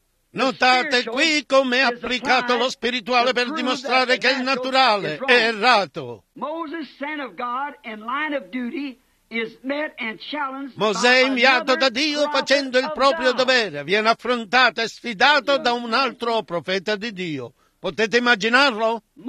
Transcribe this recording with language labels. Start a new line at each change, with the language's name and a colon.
Italian: Notate qui come è applicato lo spirituale per dimostrare che il naturale è errato.
English: Mosè, son of God, in line of duty, is met and challenged.
Italian: Mosè inviato da Dio facendo il proprio dovere viene affrontato e sfidato da un altro profeta di Dio. Potete immaginarlo?